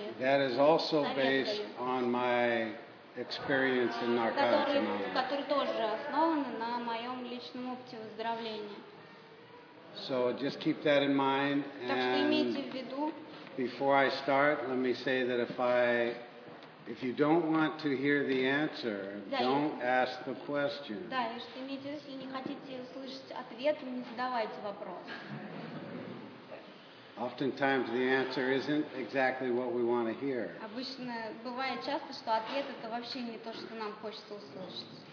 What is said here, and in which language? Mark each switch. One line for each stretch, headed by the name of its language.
English: That is also based on my experience in Narcotics Anonymous.
Russian: Который тоже основан на моем личном опыте выздоровления.
English: So just keep that in mind.
Russian: Так что имейте в виду.
English: Before I start, let me say that if you don't want to hear the answer, don't ask the question.
Russian: Да, если имейте в виду, если не хотите услышать ответ, не задавайте вопрос.
English: Oftentimes the answer isn't exactly what we want to hear.
Russian: Обычно бывает часто, что ответ это вообще не то, что нам хочется услышать.